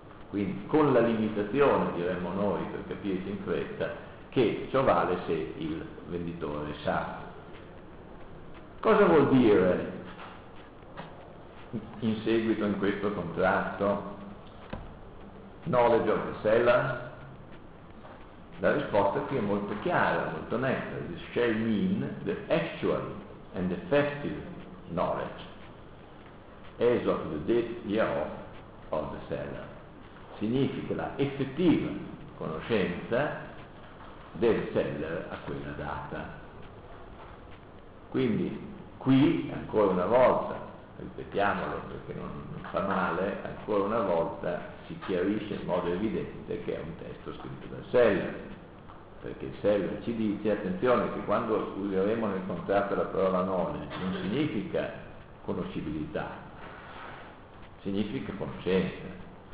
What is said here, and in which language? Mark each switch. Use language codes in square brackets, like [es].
[it] Quindi con la limitazione, diremmo noi, per capirci in fretta, che ciò vale se il venditore sa. Cosa vuol dire in seguito in questo contratto [en] knowledge of the seller? [it] La risposta qui è molto chiara, molto netta. [en] This shall mean the actual and effective knowledge as of the date hereof of the seller. [it] Significa la effettiva conoscenza del seller a quella data. Quindi qui, ancora una volta, ripetiamolo perché non fa male, ancora una volta si chiarisce in modo evidente che è un testo scritto dal seller, perché il seller ci dice, attenzione, che quando useremo nel contratto la parola knowledge non significa conoscibilità, significa conoscenza.